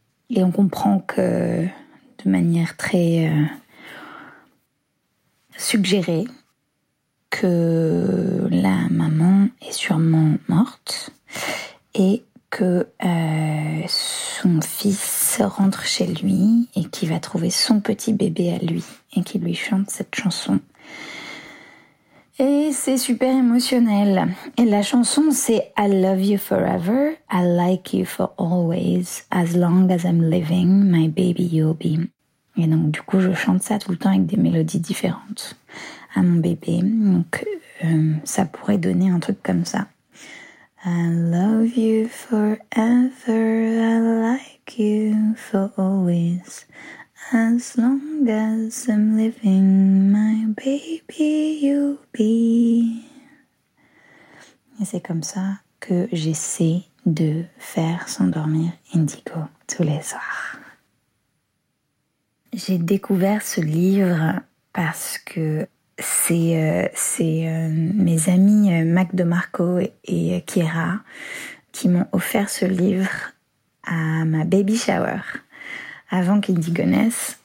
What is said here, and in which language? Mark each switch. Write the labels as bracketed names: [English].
[French] Et on comprend que de manière très suggérée que la maman est sûrement morte et que son fils rentre chez lui et qu'il va trouver son petit bébé à lui et qu'il lui chante cette chanson. Et c'est super émotionnel. Et la chanson, c'est « [English] I love you forever, I like you for always, as long as I'm living, my baby you'll be ». [French] Et donc, du coup, je chante ça tout le temps avec des mélodies différentes à mon bébé. Donc, ça pourrait donner un truc comme ça. [English] I love you forever, I like you for always, as long as I'm living, my baby you'll be. [French] Et c'est comme ça que j'essaie de faire s'endormir Indigo tous les soirs. J'ai découvert ce livre parce que c'est mes amis Mac DeMarco et Kira qui m'ont offert ce livre à ma baby shower avant qu'Indigo naisse.